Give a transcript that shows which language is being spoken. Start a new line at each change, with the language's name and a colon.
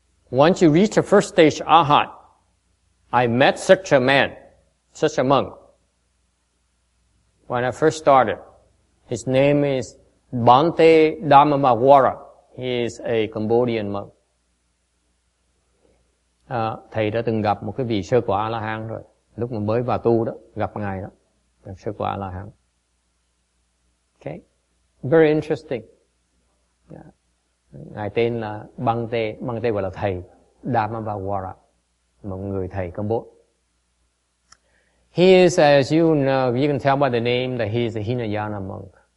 English: Once you reach the first stage Arhat, I met such a man, such a monk. When I first started, his name is Bante Dhammamawara. He is a Cambodian monk.
Vietnamese: Thầy đã từng gặp một cái vị sơ quả A-la-hán rồi. Lúc mà mới vào tu đó, gặp ngài đó, gặp sơ quả A-la-hán.
English: Okay, very interesting.
Vietnamese: Ngài tên là Bang Tê gọi là thầy Dhammavawara, một người thầy Cambodia.
English: He is, as you know, you can tell by the name that he is a Hinayana monk.